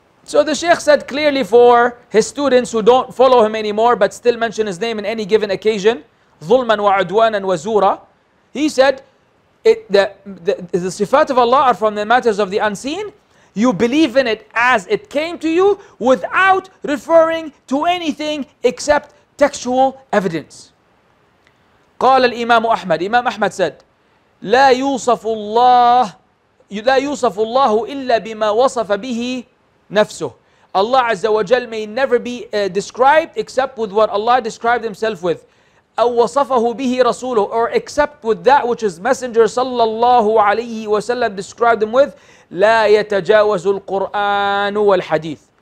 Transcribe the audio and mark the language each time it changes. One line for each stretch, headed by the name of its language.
English: So the Shaykh said clearly for his students who don't follow him anymore, but still mention his name in any given occasion,
Arabic: ظُلْمًا وَعُدْوَانًا وَزُورًا.
English: He said, the sifat of Allah are from the matters of the unseen, you believe in it as it came to you without referring to anything except textual evidence.
Arabic: قال الإمام أحمد,
English: Imam Ahmad said,
Arabic: لا يوصف الله إلا بما وصف به نفسه.
English: Allah Azza wa Jal may never be described except with what Allah described Himself with.
Arabic: أو وصفه به رسوله,
English: or except with that which His Messenger صلى الله عليه وسلم described Him with.
Arabic: لا يتجاوز القرآن والحديث.